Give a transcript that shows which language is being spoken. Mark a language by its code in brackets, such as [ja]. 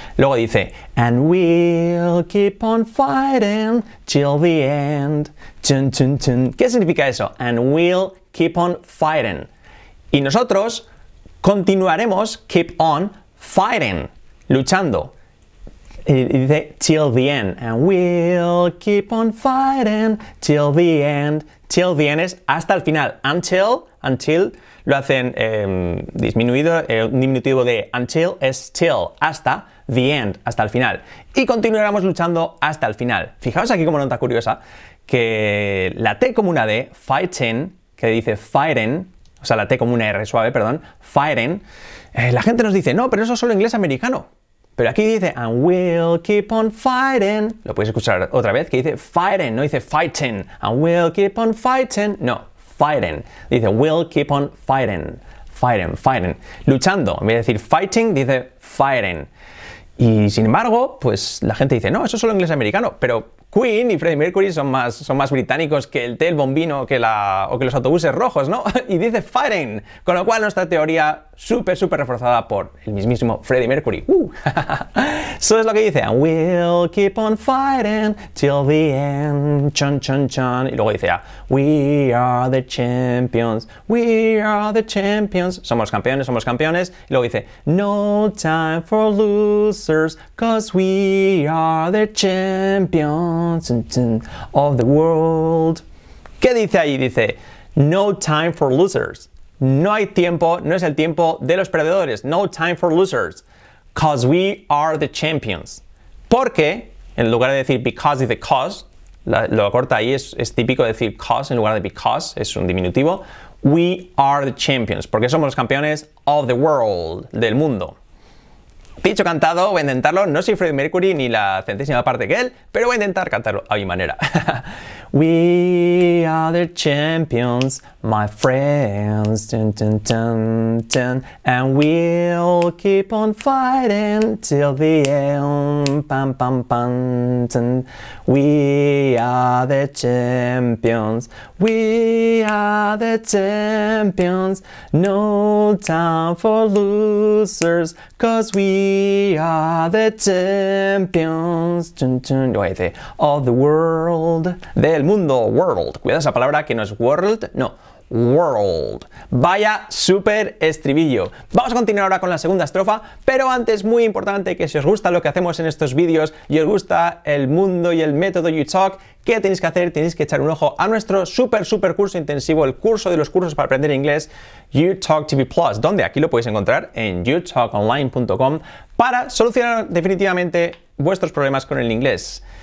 [es] Luego dice, [en] and we'll keep on fighting till the end. Tun, tun, tun. [es] ¿Qué significa eso? [en] And we'll keep on fighting. [es] Y nosotros continuaremos, [en] keep on fighting, [es] luchando. Y dice, [en] till the end. And we'll keep on fighting till the end. Till the end [es] es hasta el final. [en] Until, until. [es] Lo hacen disminuido, el diminutivo de until es till, hasta the end, hasta el final. Y continuaremos luchando hasta el final. Fijaos aquí como nota curiosa, que la T como una D, fighting, que dice fighting, o sea, la T como una R suave, perdón, fighting, la gente nos dice, no, pero eso es solo inglés americano. Pero aquí dice, [en] and we'll keep on fighting, [es] lo puedes escuchar otra vez, que dice fighting, no dice fighting, and we'll keep on fighting, no. Fighting. Dice, [en] we'll keep on fighting. [es] Fighting, fighting. Luchando. En vez de decir fighting, dice fighting. Y sin embargo, pues la gente dice, no, eso es solo inglés americano. Pero Queen y Freddie Mercury son más británicos que el té, el bombino o que los autobuses rojos, ¿no? Y dice fighting. Con lo cual, nuestra teoría súper, súper reforzada por el mismísimo Freddie Mercury. Eso es lo que dice. [en] And we'll keep on fighting till the end. Chon, chon, chon. [es] Y luego dice, [en] we are the champions. We are the champions. [es] Somos campeones, somos campeones. Y luego dice, [en] no time for losers, cause we are the champions of the world. [es] ¿Qué dice ahí? Dice, [en] no time for losers. [es] No hay tiempo, no es el tiempo de los perdedores. [en] No time for losers. Because we are the champions. [es] Porque, en lugar de decir because dice cause, lo corta ahí, es típico decir cause en lugar de because, es un diminutivo. [en] We are the champions, [es] porque somos los campeones [en] of the world, [es] del mundo. Dicho cantado, voy a intentarlo, no soy Freddie Mercury ni la centésima parte que él, pero voy a intentar cantarlo a mi manera. [en] We are the champions, my friends, dun, dun, dun, dun. And we'll keep on fighting till the end, pam, pam, pam, dun. We are the champions, we are the champions, no time for losers, cause we are the champions, dun, dun, of the world, [es] del mundo, [en] world. [es] Cuidado esa palabra que no es world, no. World. Vaya súper estribillo. Vamos a continuar ahora con la segunda estrofa, pero antes, muy importante, que si os gusta lo que hacemos en estos vídeos y os gusta el mundo y el método YouTalk, ¿qué tenéis que hacer? Tenéis que echar un ojo a nuestro súper, súper curso intensivo, el curso de los cursos para aprender inglés, YouTalk TV Plus, donde aquí lo podéis encontrar en youtalkonline.com para solucionar definitivamente vuestros problemas con el inglés.